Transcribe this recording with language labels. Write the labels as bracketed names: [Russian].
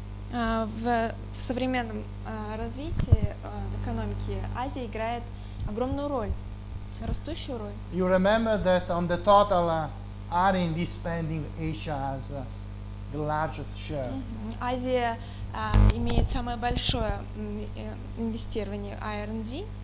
[Russian] В современном развитии экономики Азия играет огромную роль, растущую роль. [English] You remember that on the total R&D spending, Asia has the largest share. [Russian] Азия имеет самое большое инвестирование R&D.